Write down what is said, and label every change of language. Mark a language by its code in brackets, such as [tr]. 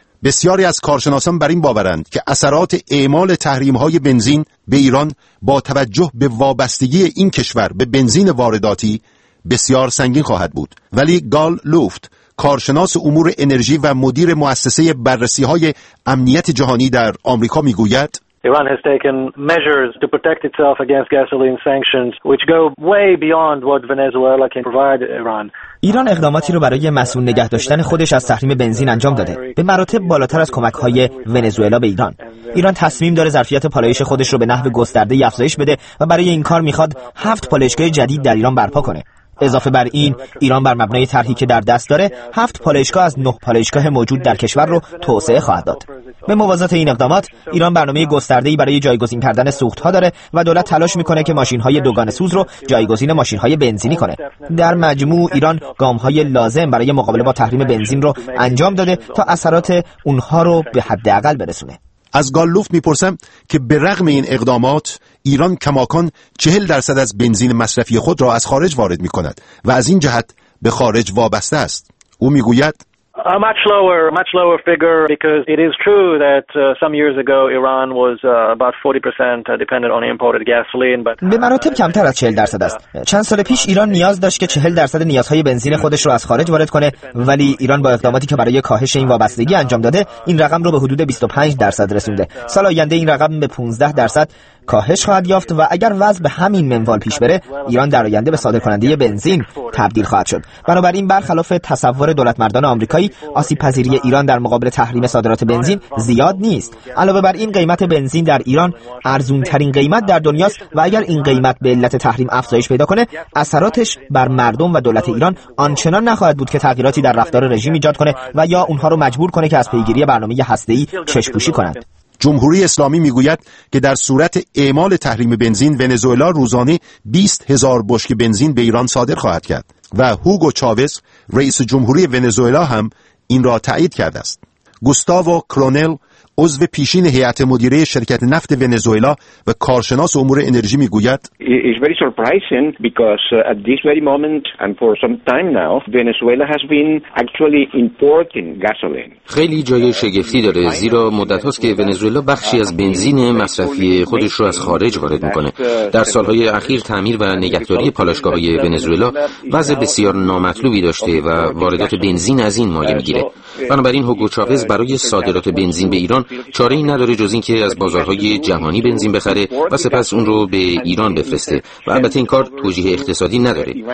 [fa] بسیاری از کارشناسان بر این باورند که اثرات اعمال تحریم‌های بنزین به ایران با توجه به وابستگی این کشور به بنزین وارداتی بسیار سنگین خواهد بود. ولی گال لوفت، کارشناس امور انرژی و مدیر مؤسسه بررسی‌های امنیت جهانی در آمریکا می‌گوید [en] Iran has taken measures to protect itself against gasoline sanctions which go way beyond what Venezuela can provide Iran. [fa] ایران اقداماتی رو برای مسئول نگه داشتن خودش از تحریم بنزین انجام داده، به مراتب بالاتر از کمک‌های ونزوئلا به ایران. ایران تصمیم داره ظرفیت پالایش خودش رو به نحو گسترده افزایش بده و برای این کار می‌خواد 7 پالایشگاه جدید در ایران برپا کنه. اضافه بر این، ایران بر مبنای طرحی که در دست داره 7 پالایشگاه از 9 پالایشگاه موجود در کشور رو توسعه خواهد داد. به موازات این اقدامات، ایران برنامه گسترده‌ای برای جایگزین کردن سوخت‌ها داره و دولت تلاش می‌کنه که ماشین‌های دوگانه‌سوز رو جایگزین ماشین‌های بنزینی کنه. در مجموع ایران گام‌های لازم برای مقابله با تحریم بنزین رو انجام داده تا اثرات اونها رو به حداقل برسونه. از گالوف می‌پرسم که به رغم این اقدامات، ایران کماکان 40% از بنزین مصرفی خود را از خارج وارد می‌کند و از این جهت به خارج وابسته است. او می‌گوید [en] A much lower figure because it is true that some years ago Iran was about 40% dependent on imported gasoline but [fa] به مراتب کمتر از 40% است. چند سال پیش ایران نیاز داشت که 40% نیازهای بنزین خودش رو از خارج وارد کنه، ولی ایران با اقداماتی که برای کاهش این وابستگی انجام داده این رقم رو به حدود 25% رسونده. سال آینده این رقم به 15% کاهش خواهد یافت و اگر وضع به همین منوال پیش بره ایران در آینده به صادرکننده بنزین تبدیل خواهد شد. بنابراین برخلاف تصور دولت مردان آمریکایی، آسیب پذیری ایران در مقابل تحریم صادرات بنزین زیاد نیست. علاوه بر این، قیمت بنزین در ایران ارزان ترین قیمت در دنیاست و اگر این قیمت به علت تحریم افزایش پیدا کنه، اثراتش بر مردم و دولت ایران آنچنان نخواهد بود که تغییراتی در رفتار رژیم ایجاد کنه و یا اونها رو مجبور کنه که از پیگیری برنامه هسته‌ای چشم‌پوشی کنند. جمهوری اسلامی میگوید که در صورت اعمال تحریم بنزین، ونزوئلا روزانه 20,000 بشک بنزین به ایران صادر خواهد کرد و هوگو چاوز، رئیس جمهوری ونزوئلا هم این را تایید کرده است. گوستاو کرونل، عضو پیشین هیئت مدیره شرکت نفت ونزوئلا و کارشناس امور انرژی میگوید [en] It's very surprising because at this very moment and for some time now Venezuela has been actually importing gasoline. [fa] خیلی جای شگفتی داره، زیرا مدت هاست که ونزوئلا بخشی از بنزین مصرفی خودش رو از خارج وارد میکنه. در سالهای اخیر تعمیر و نگهداری پالایشگاه‌های ونزوئلا وضع بسیار نامطلوبی داشته و واردات بنزین از این مایه میگیره. بنابراین هوگو چاوز برای صادرات بنزین به ایران چاره‌ای نداره جز اینکه از بازارهای جهانی بنزین بخره و سپس اون رو به ایران بفرسته و البته این کار توجیه اقتصادی نداره.